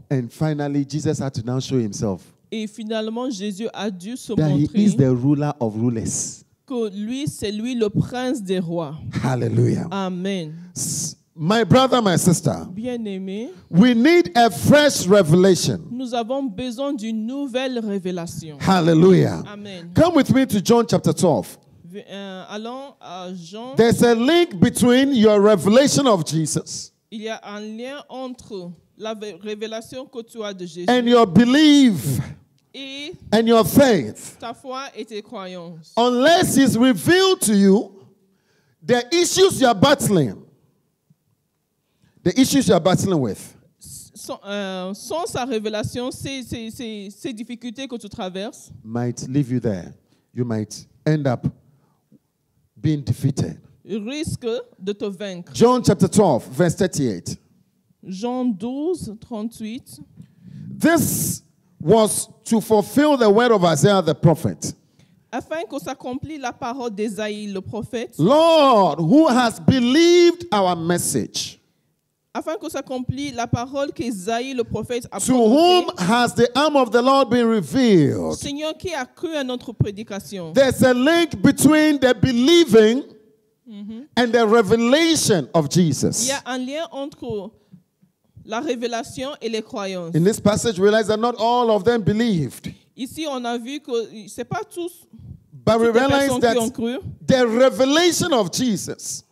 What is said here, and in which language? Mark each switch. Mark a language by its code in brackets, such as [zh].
[en] And finally, Jesus had to now show himself. [fr] Et finalement, Jésus a dû se [en] that [fr] montrer. [en] He is the ruler of rulers. [fr] Que lui, c'est lui le prince des rois. [en] Hallelujah. Amen. My brother, my sister. [fr] Bien-aimé. [en] We need a fresh revelation. [fr] Nous avons besoin d'une nouvelle révélation. [en] Hallelujah. Amen. Come with me to John chapter 12. [fr] Allons à Jean. [en] There's a link between your revelation of Jesus. [fr] Il y a un lien entre la révélation que tu as de Jésus. [en] And your belief. And your faith. [fr] Ta foi et tes croyances. [en] Unless he's revealed to you the issues you're battling. The issues you're battling with. [fr] Sans sa révélation, ces difficultés que tu traverses. [en] Might leave you there. You might end up being defeated. [fr] Risque de te vaincre. [en] John chapter 12, verse 38. [fr] Jean 12, 38. [en] This was to fulfill the word of Isaiah the prophet. [fr] Afin que s'accomplisse la parole d'Isaïe le prophète. [en] Lord, who has believed our message? [fr] Afin que s'accomplisse la parole qu'Isaïe le prophète a prononcé. [en] To whom has the arm of the Lord been revealed? [fr] Seigneur, qui a cru à notre prédication? [en] There's a link between the believing and the revelation of Jesus. [fr] Il y a un lien entre la révélation et les croyances. [en] In this passage, we realize that not all of them believed. [fr] Ici, on a vu que c'est pas tous. [en] But we realize that the revelation of Jesus.